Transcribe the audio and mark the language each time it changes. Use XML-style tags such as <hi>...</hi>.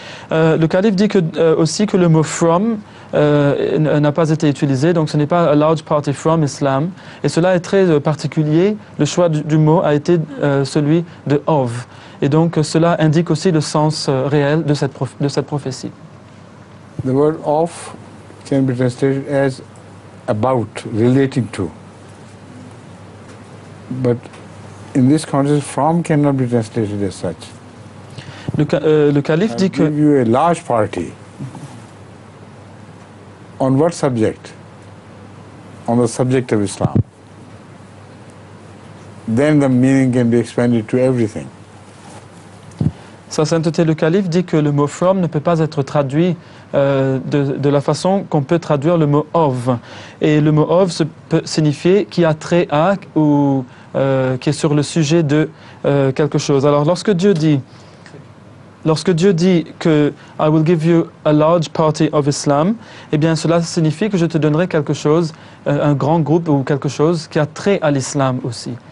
<fr>Le calife dit que, aussi que le mot from n'a pas été utilisé, donc ce n'est pas</fr> <en>a large party from Islam.</en> <fr>Et cela est très particulier, le choix du mot a été celui de of. Et donc, cela indique aussi le sens réel de cette prophétie.</fr> <en>The word of can be translated as about, relating to. But in this context, from cannot be translated as such.</en> <fr>Le calife dit que...</fr> <en>I give you a large party. On what subject? On the subject of Islam. Then the meaning can be expanded to everything.</en> <fr>Sa Sainteté le Calife dit que le mot from ne peut pas être traduit de la façon qu'on peut traduire le mot of. Et le mot of peut signifier qui a trait à ou qui est sur le sujet de quelque chose. Alors lorsque Dieu dit que</fr> <en>I will give you a large party of Islam,</en> <fr>eh bien cela signifie que je te donnerai quelque chose, un grand groupe ou quelque chose qui a trait à l'islam aussi.</fr>